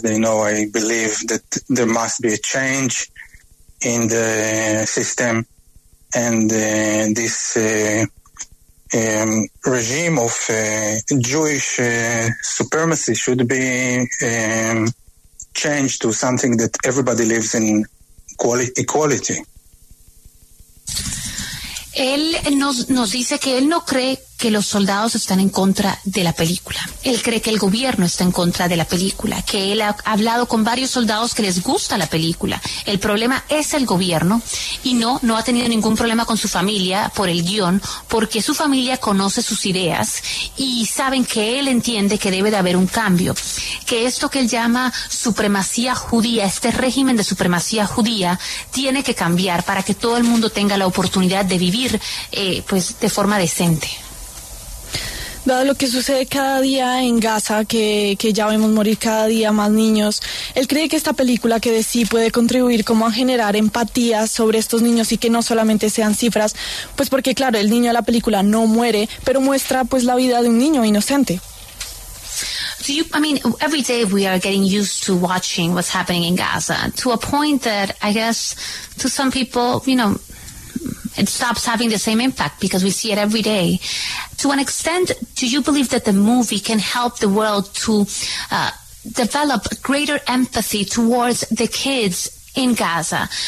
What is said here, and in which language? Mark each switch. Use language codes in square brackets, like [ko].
[en] They know I believe that there must be a change in the system. And this regime of Jewish supremacy should be changed to something that everybody lives in equality. [es] Él nos dice que él no cree que los soldados están en contra de la película. Él cree que el gobierno está en contra de la película, que él ha hablado con varios soldados que les gusta la película. El problema es el gobierno, y no ha tenido ningún problema con su familia por el guión, porque su familia conoce sus ideas y saben que él entiende que debe de haber un cambio, que esto que él llama supremacía judía, este régimen de supremacía judía, tiene que cambiar para que todo el mundo tenga la oportunidad de vivir pues de forma decente. Dado lo que sucede cada día en Gaza, que ya vemos morir cada día más niños, él cree que esta película que de sí puede contribuir como a generar empatía sobre estos niños y que no solamente sean cifras, pues porque claro, el niño de la película no muere, pero muestra pues la vida de un niño inocente. [en] Do you, I mean, every day we are getting used to watching what's happening in Gaza to a point that I guess to some people, you know, it stops having the same impact because we see it every day. To an extent, do you believe that the movie can help the world to develop greater empathy towards the kids in Gaza?